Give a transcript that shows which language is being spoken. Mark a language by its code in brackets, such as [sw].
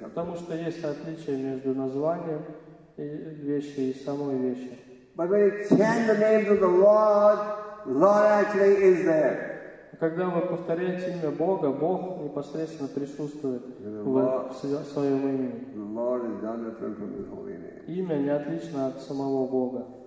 [ru] Потому что есть отличие между названием вещи и самой вещи. [en] But when you chant the names of the Lord, Lord actually is there. [ru] Когда вы повторяете имя Бога, Бог непосредственно присутствует в своем имени. Имя не отлично от самого Бога.